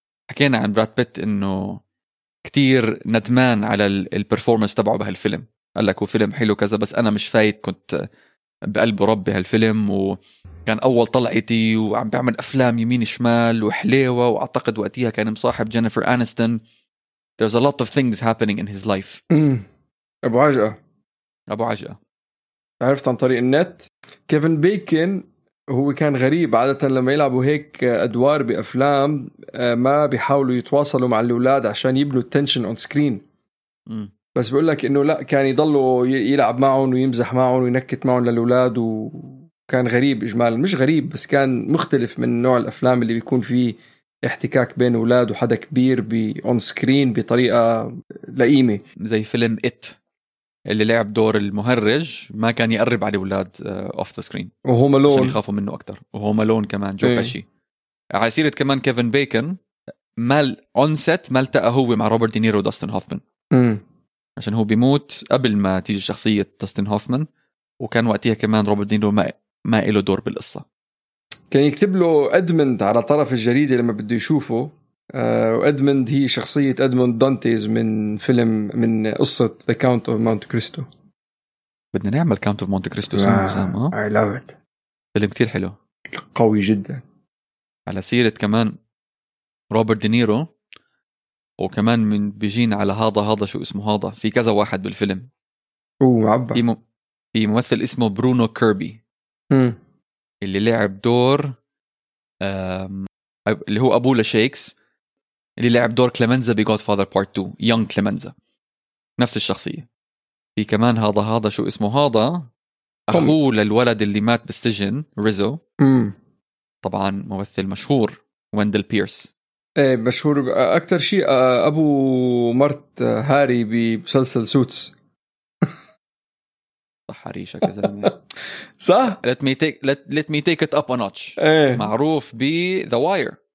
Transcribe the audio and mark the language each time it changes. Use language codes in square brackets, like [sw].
[ar] حكينا عن براد بيت إنه كتير ندمان على البرفورمانس تبعه بهالفيلم. قال لك وفيلم حلو كذا بس أنا مش فايت كنت بقلب ربي هالفيلم وكان أول طلعتي وعم بعمل أفلام يمين شمال وحليوة وأعتقد وقتها كان مصاحب جينيفر أنستون. [en] There's a lot of things happening in his life. [ar] أبو عجقة. أبو عجقة. عرفت عن طريق النت. كيفن بيكن هو كان غريب عادة لما يلعبوا هيك أدوار بأفلام ما بيحاولوا يتواصلوا مع الأولاد عشان يبنوا التنشن [en] on screen. [ar] بس بقول لك إنه لا كان يضلوا يلعب معهم ويمزح معهم وينكت معهم للأولاد وكان غريب إجمالا مش غريب بس كان مختلف من نوع الأفلام اللي بيكون فيه احتكاك بين أولاد وحدا كبير بأون سكرين بطريقة لئيمة زي فيلم إت اللي لعب دور المهرج ما كان يقرب على الأولاد [en] off the screen [ar] وهو مالون عشان يخافوا منه أكتر وهو مالون كمان جو بشي على سيرة كمان كيفن بيكن مال أونست ما التقى هو مع روبرت دينيرو داستن هوفمان عشان هو بيموت قبل ما تيجي شخصية داستن هوفمان وكان وقتها كمان روبرت دينيرو ما إله دور بالقصة كان يكتب له أدمند على طرف الجريدة لما بده يشوفه وأدمند هي شخصية أدموند دانتيز من فيلم من قصة The Count of Monte Cristo بدنا نعمل Count of Monte Cristo سام [en] I love it [ar] فيلم كتير حلو قوي جدا على سيرة كمان روبرت دينيرو وكمان من بيجين على هذا شو اسمه هذا في كذا واحد بالفيلم أوه في ممثل اسمه برونو كيربي اللي لعب دور اللي هو أبوه لشيكس اللي لعب دور كليمنزا بـ Godfather Part 2 يونغ كليمنزا نفس الشخصية في كمان هذا شو اسمه هذا أخوه للولد اللي مات بالسجن ريزو طبعا ممثل مشهور ويندل بيرس ايه مشهور أكتر شيء أبو مرت هاري بمسلسل سوتس صح حريشك يا زلمة صح [en] let me take it up a notch [ar] معروف بـ [en] The Wire